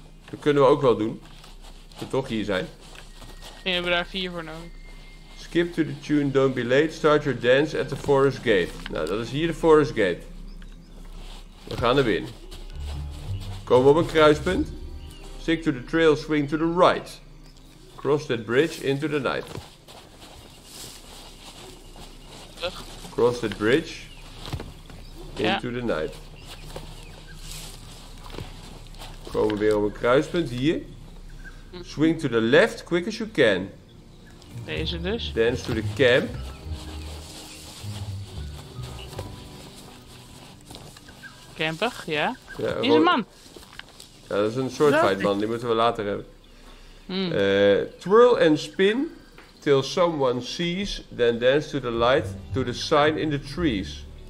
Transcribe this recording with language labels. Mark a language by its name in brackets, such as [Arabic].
[Dutch] Dat kunnen we ook wel doen. We toch hier zijn. En hebben we daar 4 voor nodig. [English] Skip to the tune, don't be late. Start your dance at the Forest Gate. [Dutch] Nou, dat is hier de Forest Gate. We gaan er binnen. Komen we op een kruispunt. [English] Stick to the trail, swing to the right. Cross that bridge into the night. Cross that bridge into the night. [Dutch] Komen we weer op een kruispunt hier. [English] Swing to the left, quick as you can. [Dutch] Deze dus. [English] Dance to the camp. [Dutch] Camper, ja. Hier is een man. Ja, dat is een soort fight, man. Die moeten we later hebben. [English] Twirl and spin till someone sees, then dance to the light, to the sign in the trees.